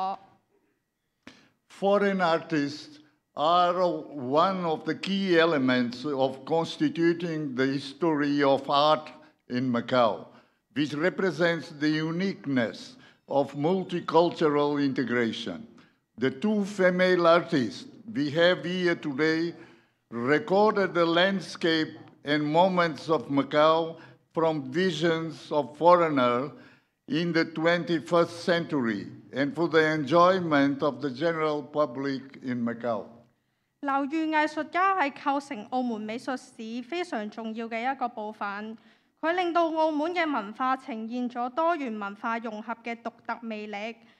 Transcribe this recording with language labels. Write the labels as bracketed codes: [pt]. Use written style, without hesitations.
[zh] 很开心今日可以在观乐儿基金会参加慈心安处张红个人作品展。在这里，本人代表观乐儿基金会向是次展览的两位艺术家表示衷心的祝贺。 [en] Foreign artists are one of the key elements of constituting the history of art in Macau, which represents the uniqueness of multicultural integration. The two female artists we have here today recorded the landscape and moments of Macau from visions of foreigners in the 21st century and for the enjoyment of the general public in Macau. [zh] 劉裕藝術家是構成澳門美術史非常重要的一個部分，它令到澳門的文化呈現了多元文化融合的獨特魅力。